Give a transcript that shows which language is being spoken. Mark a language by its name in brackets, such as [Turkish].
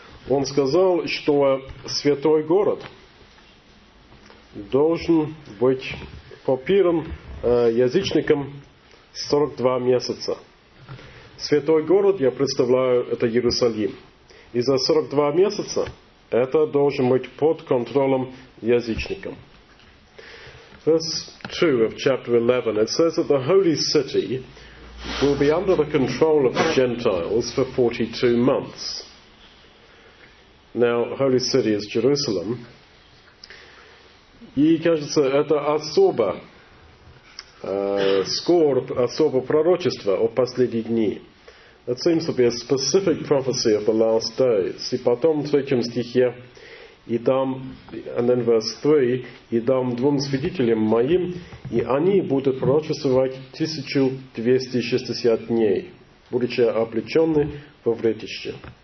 [Russian] Он сказал, что святой город должен быть попиран язычником 42 месяца. Святой город, я представляю, это Иерусалим. И за 42 месяца это должен быть под контролем язычником. [English] Verse 2 of chapter 11, it says that the holy city will be under the control of the Gentiles for 42 months. Now, holy city is Jerusalem. [Russian] И, кажется, это особо, скорбь, особо пророчество о последние дни. [English] It seems to be a specific prophecy of the last days. [Russian] И потом, в третьем стихе, и там, [English] and then verse 3, [Russian] и дам двум свидетелям моим, и они будут пророчествовать 1260 дней, будучи облечены во вретище.